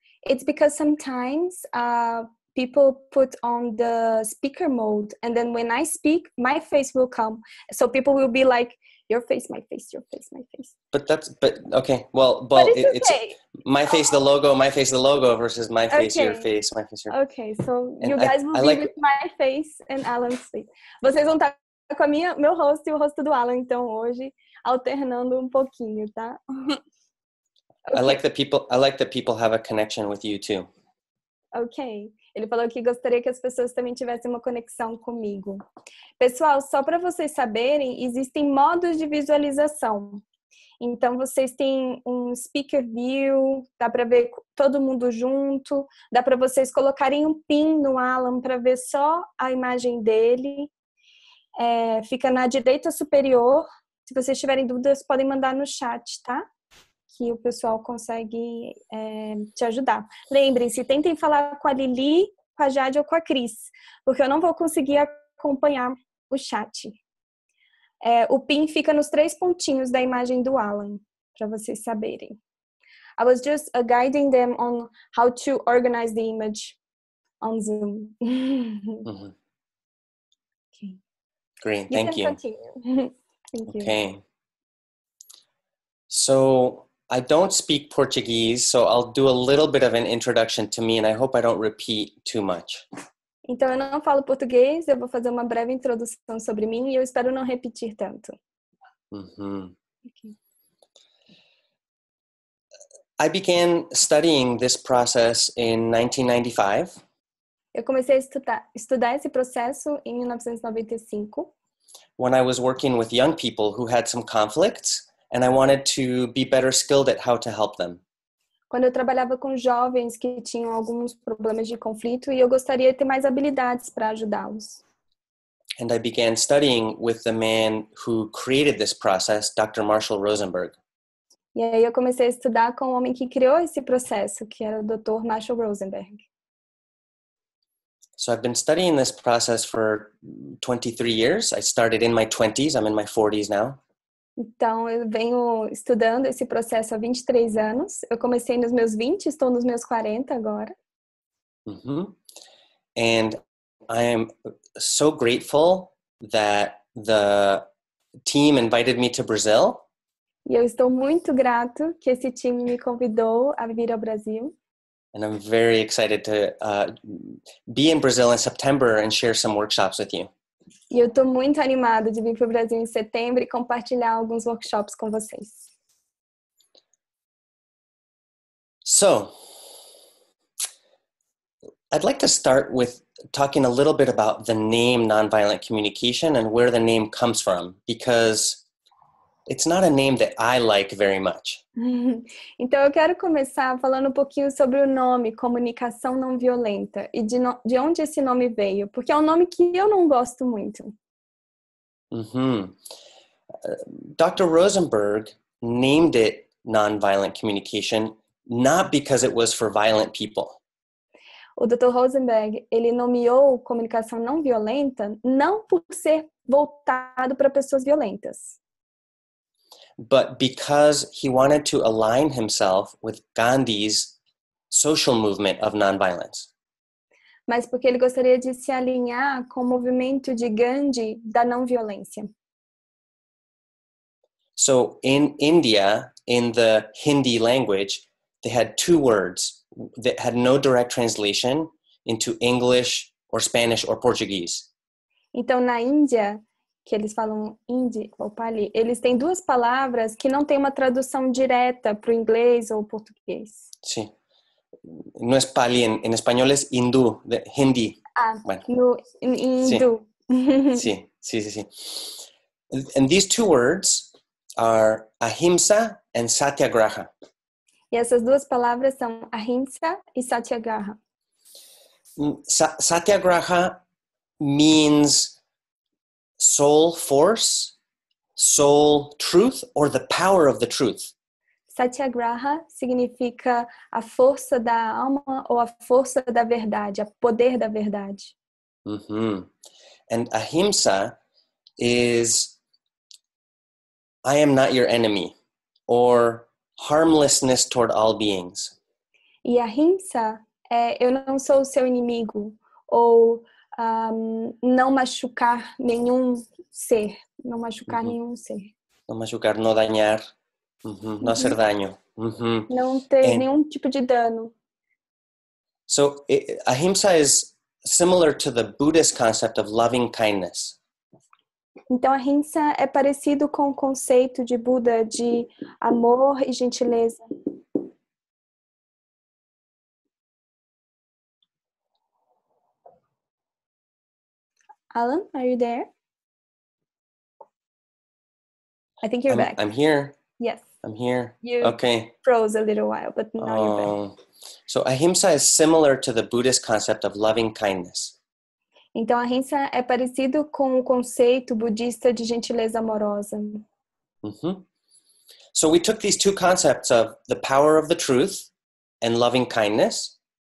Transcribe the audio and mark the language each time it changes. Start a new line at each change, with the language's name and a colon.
English: It's because sometimes people put on the speaker mode, and then when I speak, my face will come. So people will be like, your face, my face, your face, my face. But it's okay. My face, the logo versus my face, okay. Your face, my face, your face. Okay, so and you guys will be with my face and Alan's face.
Portuguese: Vocês vão estar com a minha, meu rosto e o rosto do Alan, então, hoje, alternando pouquinho, tá?
English: Okay. I like that people have a connection with you too. Okay.
Portuguese: Ele falou que gostaria que as pessoas também tivessem uma conexão comigo. Pessoal, só para vocês saberem, existem modos de visualização. Então, vocês têm um speaker view, dá para ver todo mundo junto, dá para vocês colocarem um pin no Alan para ver só a imagem dele. É, fica na direita superior. Se vocês tiverem dúvidas, podem mandar no chat, tá? Que o pessoal consegue te ajudar. Lembrem-se, tentem falar com a Lili, com a Jade ou com a Cris, porque eu não vou conseguir acompanhar o chat. É, o pin fica nos três pontinhos da imagem do Alan, para vocês saberem.
English: I was just guiding them on how to organize the image on Zoom. Uhum. Okay. Great, thank you. Thank you. Okay. So, I don't speak Portuguese, so I'll do a little bit of an introduction to me, and I hope I don't repeat too much.
Portuguese: Então, eu não falo português, eu vou fazer uma breve introdução sobre mim, e eu espero não repetir tanto.
English: Mm-hmm. Okay. I began studying this process in 1995.
Portuguese: Eu comecei a estudar esse processo em 1995.
English: When I was working with young people who had some conflicts, and I wanted to be better skilled at how to help them.
Portuguese: Quando eu trabalhava com jovens que tinham alguns problemas de conflito e eu gostaria de ter mais habilidades para ajudá-los.
English: And I began studying with the man who created this process, Dr. Marshall Rosenberg.
Portuguese: E aí eu comecei a estudar com o homem que criou esse processo, que era o Dr. Marshall Rosenberg.
English: So I've been studying this process for 23 years. I started in my 20s. I'm in my 40s now.
Portuguese: Então, eu venho estudando esse processo há 23 anos. Eu comecei nos meus 20, estou nos meus 40 agora. Mm-hmm.
English: And I am so grateful that the team invited me to Brazil.
Portuguese: E eu estou muito grato que esse time me convidou a vir ao Brasil.
English: And I'm very excited to be in Brazil in September and share some workshops with you.
Portuguese: E eu estou muito animada de vir para o Brasil em setembro e compartilhar alguns workshops com vocês.
English: So, I'd like to start with talking a little bit about the name nonviolent communication and where the name comes from, because it's not a name that I like very much.
Portuguese: Então, eu quero começar falando um pouquinho sobre o nome, comunicação não violenta, e de onde esse nome veio, porque é um nome que eu não gosto muito. Uhum. Dr.
English: Rosenberg named it nonviolent communication, not because it was for violent people.
Portuguese: O Dr. Rosenberg, ele nomeou comunicação não violenta não por ser voltado para pessoas violentas.
English: But because he wanted to align himself with Gandhi's social movement of nonviolence.
Portuguese: Mas porque ele gostaria de se alinhar com o movimento de Gandhi da não violência.
English: So in India, in the Hindi language, they had two words that had no direct translation into English or Spanish or Portuguese.
Portuguese: Então na Índia, que eles falam hindi ou pali, eles têm duas palavras que não têm uma tradução direta para o inglês ou português. Sim.
Spanish: Sí.
Portuguese: Não é pali, em espanhol é hindu, hindi.
Spanish: Ah, bueno. No hindu.
Portuguese: Sim, sim, sim, sim.
English: And these two words are ahimsa and satyagraha.
Portuguese: E essas duas palavras são ahimsa e satyagraha.
English: Satyagraha means soul force, soul truth, or the power of the truth.
Portuguese: Satyagraha significa a força da alma ou a força da verdade, a poder da verdade. Uhum.
English: And ahimsa is I am not your enemy, or harmlessness toward all beings.
Portuguese: E ahimsa é eu não sou o seu inimigo, ou não machucar nenhum ser, não machucar uhum. nenhum ser. Não machucar, não
Spanish: dañar,
Portuguese: uhum. não
Spanish: hacer daño.
Portuguese: Uhum. Não ter
English: And
Portuguese: nenhum tipo de dano.
English: So, ahimsa is similar to the Buddhist concept of loving kindness.
Portuguese: Então, ahimsa é parecido com o conceito de Buda de amor e gentileza.
English: Alan, are you there? I think you're back. I'm here. Yes. I'm here. You okay. froze a little while, but now you're back. So ahimsa is similar to the Buddhist concept of loving kindness.
Portuguese: Então ahimsa é parecido com o conceito budista de gentileza amorosa. Mm-hmm.
English: So we took these two concepts of the power of the truth and loving kindness.